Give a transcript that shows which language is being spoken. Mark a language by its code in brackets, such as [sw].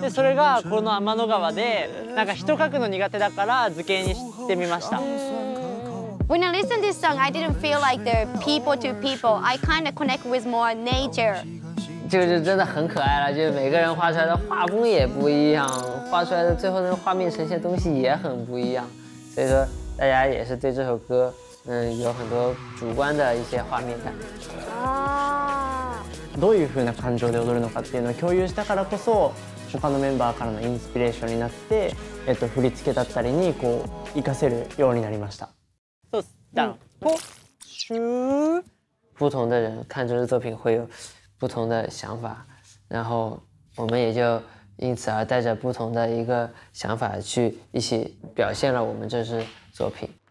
[ja] でそれがこの天の川で、なんか人書くの苦手だから図形にしてみました。 [en] When I listen to this song, I didn't feel like they're people to people. I kind of connect with more nature. [zh] 就是真的很可爱了，就是每个人画出来的画风也不一样，画出来的最后的画面呈现的东西也很不一样，所以说大家也是对这首歌有很多主观的一些画面感。 [ja] どういうふうな感情で踊るのかっていうのを共有したからこそ、他のメンバーからのインスピレーションになって、振り付けだったりにこう活かせるようになりました。そうだ。ポシュー。 [zh] 不同的人看这支作品会有不同的想法，然后我们也就因此而带着不同的一个想法去一起表现了我们这支作品。